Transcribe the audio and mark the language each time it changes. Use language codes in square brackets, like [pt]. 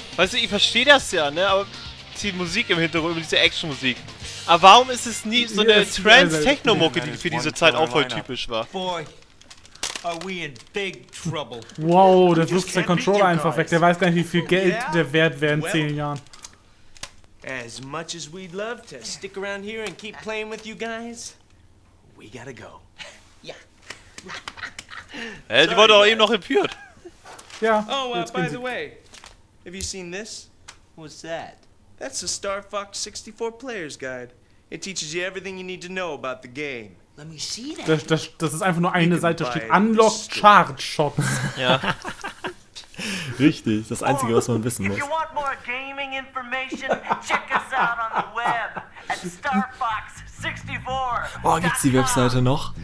[de] Weißt du, ich verstehe das ja, ne? Aber die Musik im Hintergrund, über diese Action-Musik. Aber warum ist es nie so eine Trans-Techno-Mucke, die für diese Zeit auch voll typisch war? [en] Are we in big trouble? [de] Wow, der wirft seinen Controller einfach weg. Der weiß gar nicht, wie viel Geld der wert wäre in 10 Jahren. [en] As much as we'd love to stick around here and keep playing with you guys, we gotta go. [de] Ja. Die wurde auch eben noch entführt. Ja. [en] Oh, by the way, have you seen this? What's that? That's a Star Fox 64 Player's Guide. It teaches you everything you need to know about the game. Let me see that. [de] Das ist einfach nur eine Seite, steht Unlock Charge Shot. Ja. Richtig, das Einzige, was man wissen muss. [en] If you want more gaming information, check us out on the web at starfox64.com. [de] Oh, gibt's die Webseite noch?